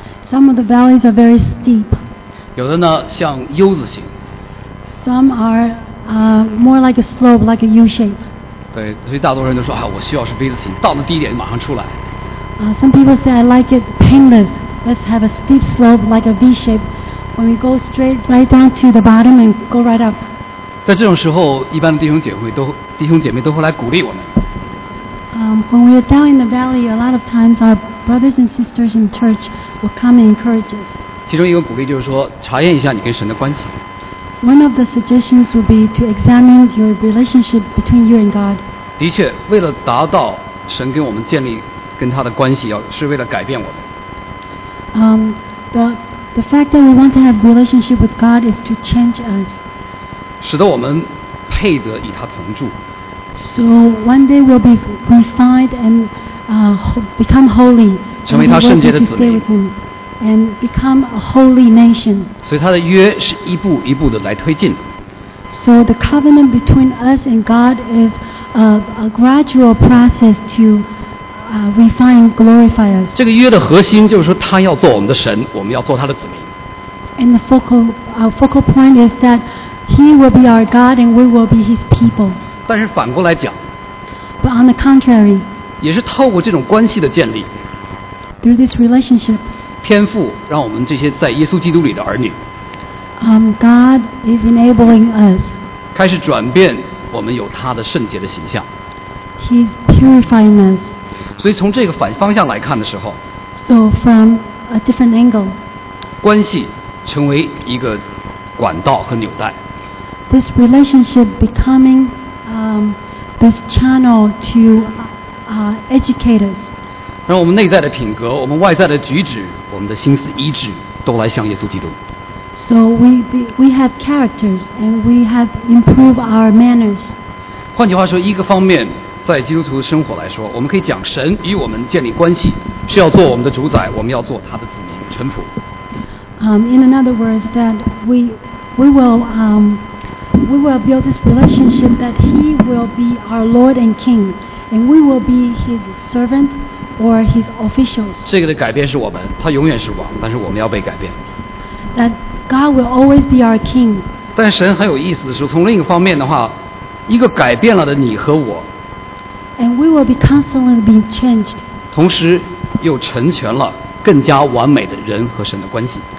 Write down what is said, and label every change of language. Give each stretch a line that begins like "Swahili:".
English: Some of the valleys are very steep.
Chinese: 有的呢像 U 字形。
English: Some are more like a slope, like a U shape.
Chinese: 对，所以大多人都说啊，我需要是 V 字形，到那低点马上出来。
English: Some people say I like it painless. Let's have a steep slope like a V shape. When we go straight right down to the bottom and go right up.
Chinese: 在这种时候，一般的弟兄姐妹都会来鼓励我们。
English: When we are down in the valley, a lot of times our brothers and sisters in church will come and encourage us.
Chinese: 其中一个鼓励就是说，查验一下你跟神的关系。
English: One of the suggestions would be to examine your relationship between you and God.
Chinese: 的确，为了达到神跟我们建立跟他的关系，要是为了改变我们。
English: The fact that we want to have relationship with God is to change us.
Chinese: 使得我们配得与他同住。
English: So one day we'll be refined and become holy.
Chinese: 成为他圣洁的子民。
English: And become a holy nation.
Chinese: 所以他的约是一步一步的来推进。
English: So the covenant between us and God is a gradual process to refine, glorify us.
Chinese: 这个约的核心就是说，他要做我们的神，我们要做他的子民。
English: And the focal point is that. He will be our God and we will be his people.
Chinese: 但是反过来讲
English: But on the contrary,
Chinese: 也是透过这种关系的建立
English: Through this relationship,
Chinese: 天父让我们这些在耶稣基督里的儿女
English: God is enabling us.
Chinese: 开始转变我们有他的圣洁的形象
English: He's purifying us.
Chinese: 所以从这个反方向来看的时候
English: So from a different angle,
Chinese: 关系成为一个管道和纽带。
English: This relationship becoming this channel to educate us.
Chinese: 让我们内在的品格，我们外在的举止，我们的心思意志，都来向耶稣基督。
English: So we have characters and we have improve our manners.
Chinese: 换句话说，一个方面，在基督徒的生活来说，我们可以讲神与我们建立关系，是要做我们的主宰，我们要做他的子民，臣仆。
English: In another words, that we will build this relationship that he will be our Lord and King, and we will be his servant or his officials.
Chinese: 这个的改变是我们，他永远是王，但是我们要被改变。
English: That God will always be our King.
Chinese: 但神很有意思的是，从另一个方面的话，一个改变了的你和我。
English: And we will be constantly being changed.
Chinese: 同时又成全了更加完美的人和神的关系。